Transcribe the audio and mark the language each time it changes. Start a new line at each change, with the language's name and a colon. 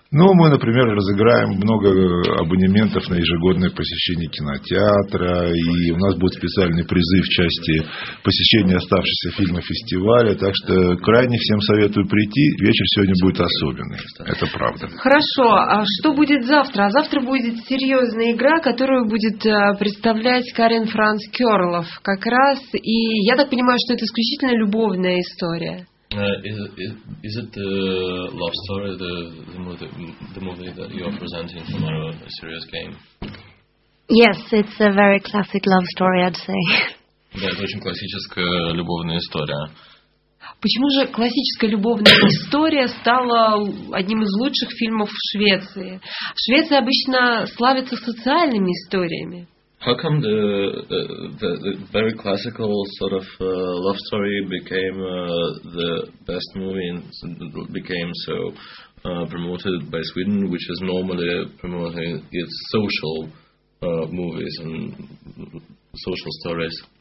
Russian: Ну, мы, например, разыграем много абонементов на ежегодное посещение кинотеатра, и у нас будут специальные призы в части посещения оставшихся фильмов фестиваля, так что крайне всем советую прийти, вечер сегодня будет особенный, это правда. Хорошо, а что будет завтра? А завтра будет серьезная игра, которую будет представлять Карен Франц Кёрлов как раз, и я так понимаю, что это исключительно любовная история.
English: Is it the love story, the movie that you are presenting tomorrow, A Serious Game? Yes, it's a very classic love story, I'd say.
Russian: Да, это очень классическая любовная история. Почему же классическая любовная история стала одним из лучших фильмов в Швеции? В Швеции обычно славятся социальными историями.
English: How come the very classical sort of love story became the best movie and became so promoted by Sweden, which is normally promoting its social movies and social stories?